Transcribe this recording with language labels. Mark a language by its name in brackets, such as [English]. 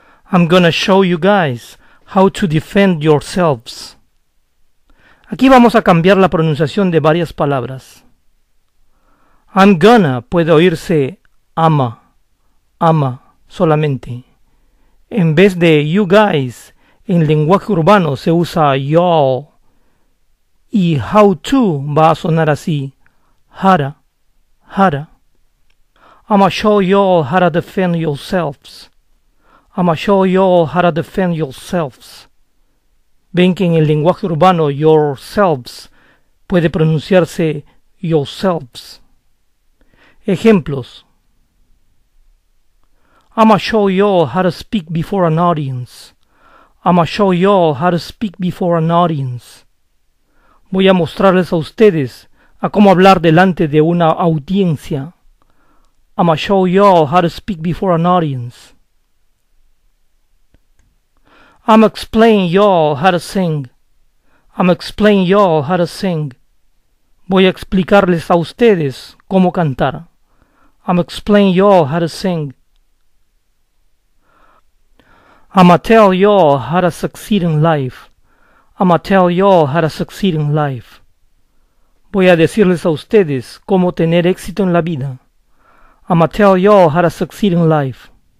[English] I'm gonna show you guys how to defend yourselves. [Spanish] Aquí vamos a cambiar la pronunciación de varias palabras. [English] I'm gonna [Spanish] puede oírse ama solamente. En vez de [English] you guys, [Spanish] en lenguaje urbano se usa y'all. Y how to va a sonar así, hara. [English] I'ma show y'all how to defend yourselves. I'ma show y'all how to defend yourselves. [Spanish] Ven que en el lenguaje urbano yourselves puede pronunciarse yourselves. Ejemplos. [English] I'ma show y'all how to speak before an audience. I'ma show y'all how to speak before an audience. [Spanish] Voy a mostrarles a ustedes a cómo hablar delante de una audiencia. [English] I'ma show y'all how to speak before an audience. I'ma explain y'all how to sing. I'ma explain y'all how to sing. [Spanish] Voy a explicarles a ustedes cómo cantar. [English] I'ma explain y'all how to sing. I'ma tell y'all how to succeed in life. I'ma tell y'all how to succeed in life. [Spanish] Voy a decirles a ustedes cómo tener éxito en la vida. [English] I'ma tell y'all how to succeed in life.